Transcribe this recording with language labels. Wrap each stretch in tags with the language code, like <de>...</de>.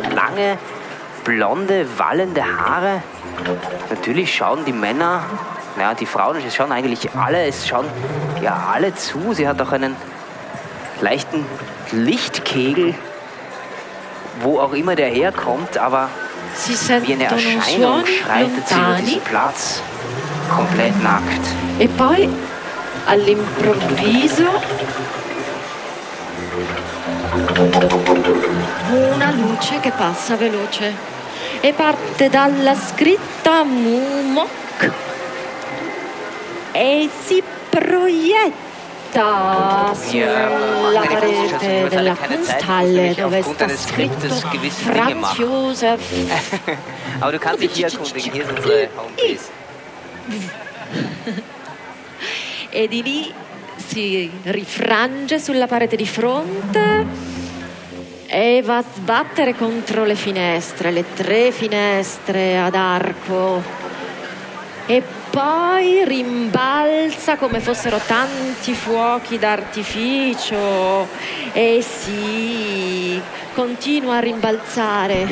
<de>Lange, blonde, wallende Haare. Natürlich schauen die Männer, naja, die Frauen, es schauen alle zu. Sie hat auch einen leichten Lichtkegel. Wo auch immer der herkommt, aber wie eine Erscheinung schreitet sie über diesen Platz, komplett nackt.</de> <it>E poi all'improvviso una luce che passa veloce e parte dalla scritta MUMOK e si proietta. Sulla parete della Kunsthalle, dove sta scritto Franz Josef.</it> <de>Aber du kannst dich hier erkundigen, hier sind unsere Homepages.</de> <it>E di lì si rifrange sulla parete di fronte e va a sbattere contro le finestre, le tre finestre ad arco. E poi rimbalza come fossero tanti fuochi d'artificio e sì, continua a rimbalzare.</it>